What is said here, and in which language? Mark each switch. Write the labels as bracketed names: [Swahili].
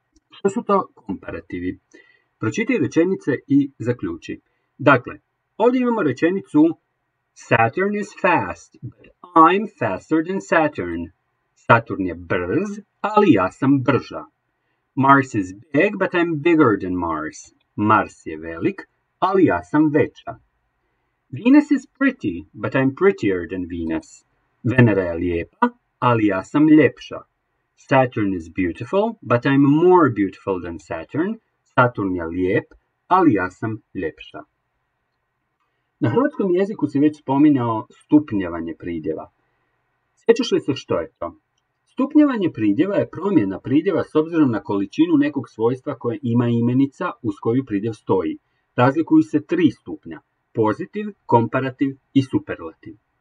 [Croatian] Što su to komparativi? Pročitaj rečenice i zaključi. Dakle, ovdje imamo rečenicu [English] Saturn is fast, but I'm faster than Saturn. [Croatian] Saturn je brz, ali ja sam brža. [English] Mars is big, but I'm bigger than Mars. [Croatian] Mars je velik, ali ja sam veća. [English] Venus is pretty, but I'm prettier than Venus. [Croatian] Venera je lijepa, ali ja sam ljepša. [English] Saturn is beautiful, but I'm more beautiful than Saturn. [Croatian] Saturn je lijep, ali ja sam ljepša. Na hrvatskom jeziku si već spominjao stupnjevanje pridjeva. Sjećaš li se što je to? Stupnjevanje pridjeva je promjena pridjeva s obzirom na količinu nekog svojstva koje ima imenica uz koju pridjev stoji. Razlikuju se tri stupnja: pozitiv, komparativ i superlativ.